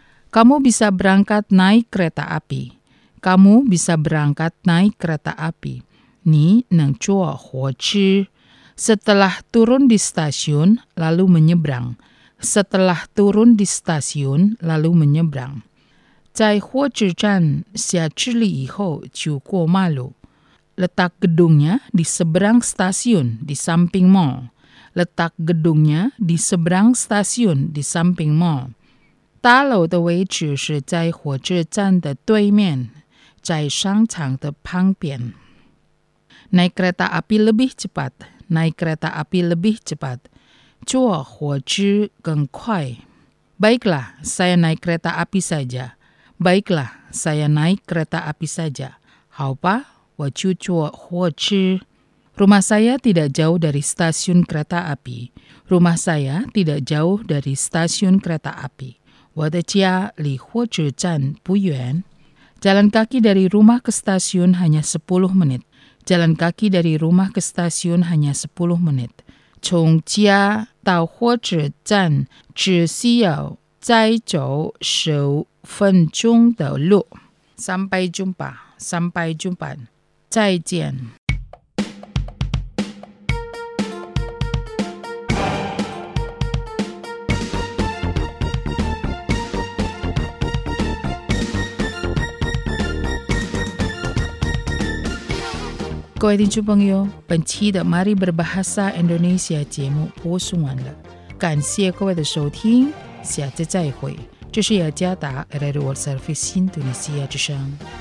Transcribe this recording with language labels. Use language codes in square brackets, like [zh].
[id] Kamu bisa berangkat naik kereta api. Kamu bisa berangkat naik kereta api. [zh] Ni neng chuo huo chi. [id] Setelah turun di stasiun, lalu menyeberang. Setelah turun di stasiun, lalu menyeberang. [zh] 在火车站下车了以后就过马路。 [id] Letak gedungnya di seberang stasiun di samping mall. Letak gedungnya di seberang stasiun di samping mall. [zh] 大楼的位置是在火车站的对面，在商场的旁边。 [id] Naik kereta api lebih cepat. Naik kereta api lebih cepat. [zh] 坐火车更快。 [id] Baiklah, saya naik kereta api saja. Baiklah, saya naik kereta api saja. [zh] 好吧，我去坐火车。 [id] Rumah saya tidak jauh dari stasiun kereta api. Rumah saya tidak jauh dari stasiun kereta api. [zh] 我的家离火车站不远。 [id] Jalan kaki dari rumah ke stasiun hanya 10 menit. Jalan kaki dari rumah ke stasiun hanya 10 menit. [zh] 从家到火车站只需要再走10分钟的路。 [id] Sampai jumpa. Sampai jumpa. [zh] 再见。各位听众朋友，本期的 Mari Berbahasa Indonesia 节目播送完了，感谢各位的收听，下次再会。这是雅加达 RRI World Service Indonesia 之声。